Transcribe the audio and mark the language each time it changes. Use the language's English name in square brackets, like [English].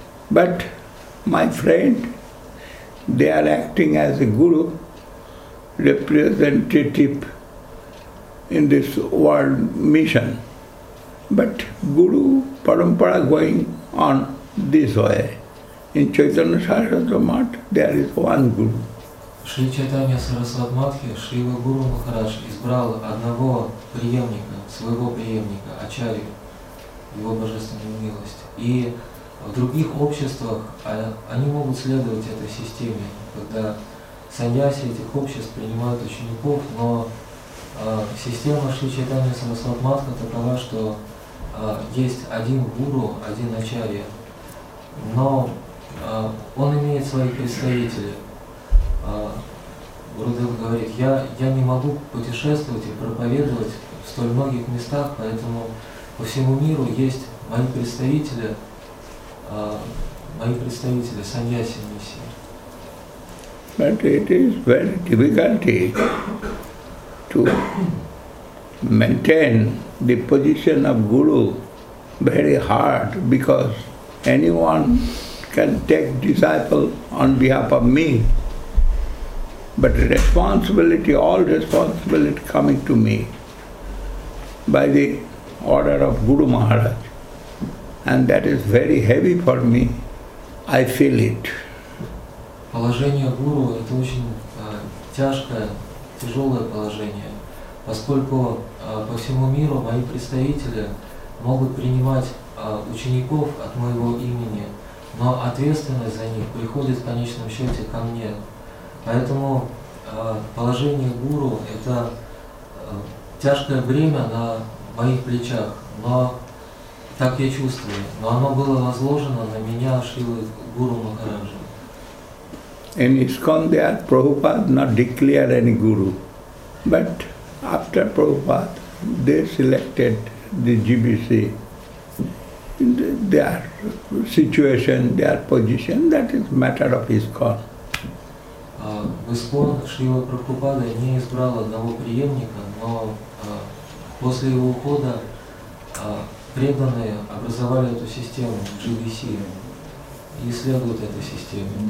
[English] But my friend, they are acting as a Guru, representative in this world mission. But Guru Parampara going on this way. In Chaitanya Sarasvati Math, there is one Guru. [Russian] Шри Чайтанья Сарасвати Матхи, Шрила Гуру Махарадж избрал одного преемника, своего преемника, Ачарью, его божественную милость. И в других обществах они могут следовать этой системе, когда саньяси этих обществ принимают учеников, но система Шри Чайтанья Сарасвати Матхи такова, что есть один гуру, один Ачарья, но он имеет своих представителей. Гурудев говорит, я не могу путешествовать и проповедовать в столь многих местах, поэтому по всему миру есть мои представители саньяси миссии. [English] But it is very difficult to maintain the position of guru very hard because anyone can take disciple on behalf of me. But responsibility, all responsibility coming to me by the order of Guru Maharaj. And that is very heavy for me. I feel it. [Russian] Положение Гуру – это очень тяжкое, тяжелое положение, поскольку по всему миру мои представители могут принимать учеников от моего имени, но ответственность за них приходит в конечном счете ко мне. Поэтому положение гуру – это тяжкое бремя на моих плечах, но так я чувствую, но оно было возложено на меня Шрилы Гуру Махараджа. [English] In ISKCON there, Prabhupada not declared any guru, but after Prabhupada, they selected the GBC. Their situation, their position, that is matter of ISKCON. [Russian] В ISKCON Шрила Прабхупада не избрал одного преемника, но после его ухода преданные образовали эту систему GBC и следуют этой системе.